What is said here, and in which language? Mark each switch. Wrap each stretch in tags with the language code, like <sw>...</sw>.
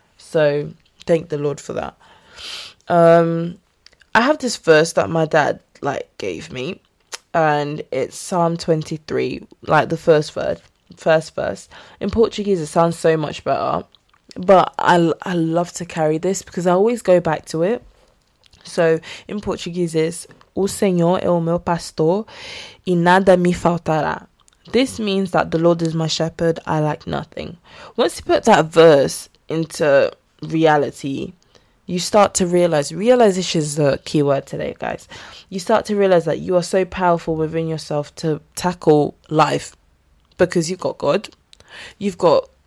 <en>So thank the Lord for that. I have this verse that my dad like gave me, and it's Psalm 23, like the first verse. In Portuguese, it sounds so much better, but I love to carry this because I always go back to it. So in Portuguese, it's</en> <pt>O Senhor é o meu pastor e nada me faltará.</pt> <en>This means that the Lord is my shepherd, I lack nothing. Once you put that verse into reality, you start to realization is the key word today, guys. You start to realize that you are so powerful within yourself to tackle life, because you've got God, you've got</en>